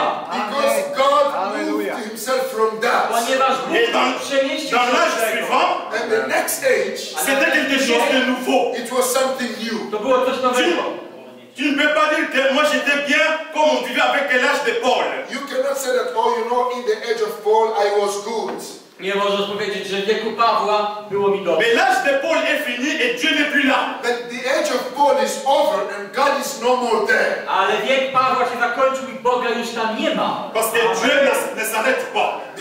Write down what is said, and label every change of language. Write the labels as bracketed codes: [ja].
[en] Because God moved himself from that. [pl] Ponieważ Bóg [fr] dans l'âge suivant. [en] And the next age. [fr] C'était quelque chose de nouveau. [en] It was something new. [pl] To było coś nowego. [fr] Tu ne peux pas dire que moi j'étais bien comme on vivait avec l'âge de Paul. [en] You cannot say that, oh, you know, in the age of Paul I was good. [pl] Nie można powiedzieć, że w wieku Pawła było mi dobrze. [fr] Mais l'âge de Paul est fini et Dieu n'est plus là. [en] That the age of Paul is over and God is no more there. [pl] Ale wiek Pawła się zakończył i Boga już tam nie ma. [fr] Parce que Dieu ne s'arrête pas.